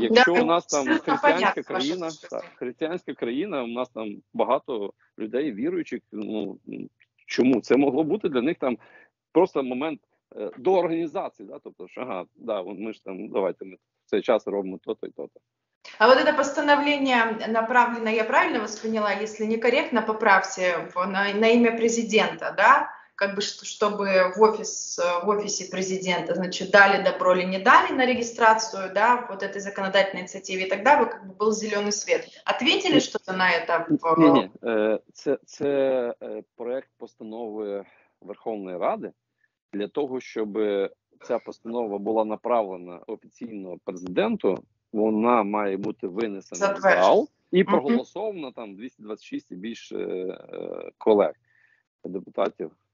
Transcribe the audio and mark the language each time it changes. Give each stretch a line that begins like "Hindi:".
Ukrainian: Якщо у нас там християнська країна, так, християнська країна, у нас там багато людей віруючих, ну чому це могло бути для них там просто момент до організації, да? Тобто, що ага, да, ми ж там давайте ми цей час робимо то-то і то-то.
Russian: А вот это постановление направлено, я правильно восприняла, если некорректно, поправьте, на имя президента, да? Как бы чтобы в офисе президента, значит, дали добро или не дали на регистрацию, да, вот этой законодательной инициативе, и тогда бы как бы был зеленый свет. Ответили что-то на это?
Ukrainian: Не-не, це проект постанови Верховної Ради для того, щоб ця постанова була направлена офіційно президенту, вона має бути винесена в зал і проголосована там 226 і більше колег, депутатів.